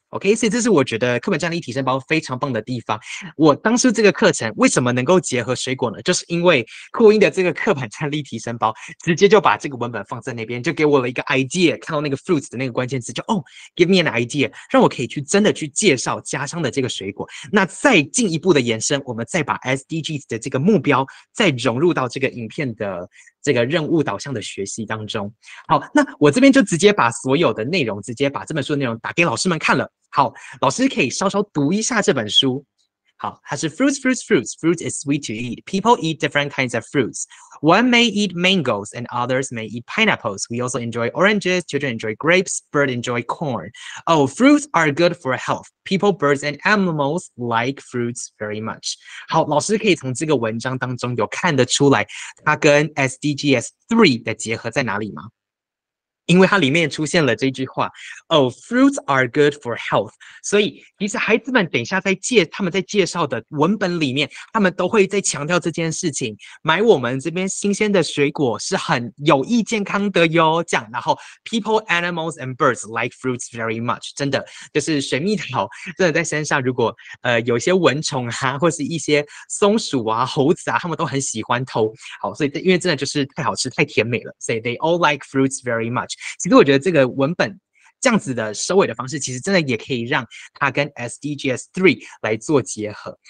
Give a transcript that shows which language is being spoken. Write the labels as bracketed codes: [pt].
[zh] OK， 所以这是我觉得课本战力提升包非常棒的地方。我当初这个课程为什么能够结合水果呢？就是因为酷音的这个课本战力提升包直接就把这个文本放在那边，就给我了一个 idea， 看到那个 fruits 的那个关键词就哦 [en] give me an idea， [zh] 让我可以去真的去介绍家乡的这个水果，那再进一步的延伸，我们再把 SDGs 的这个目标再融入到这个影片的这个任务导向的学习当中。好，那我这边就直接把所有的内容直接把这本书的内容打给老师们看了。好，老师可以稍稍读一下这本书。 [en] 好，它是 Fruits, fruits, fruits. Fruit is sweet to eat. People eat different kinds of fruits. One may eat mangoes and others may eat pineapples. We also enjoy oranges. Children enjoy grapes. Birds enjoy corn. Oh, fruits are good for health. People, birds and animals like fruits very much. [zh] 好，老师可以从这个文章当中有看得出来它跟 SDGs 3的结合在哪里吗？因为它里面出现了这句话 [en] Oh, fruits are good for health. [zh] 所以其实孩子们等一下在他们在介绍的文本里面他们都会在强调这件事情，买我们这边新鲜的水果是很有益健康的哟，这样。 [en] 然后 People, animals and birds like fruits very much. [zh] 真的就是水蜜桃真的在身上如果有一些蚊虫啊或是一些松鼠啊猴子啊他们都很喜欢偷。好，所以因为真的就是太好吃太甜美了，所以 [en] they all like fruits very much。 [zh] 其实我觉得这个文本这样子的收尾的方式其实真的也可以让它跟 SDGs 3来做结合。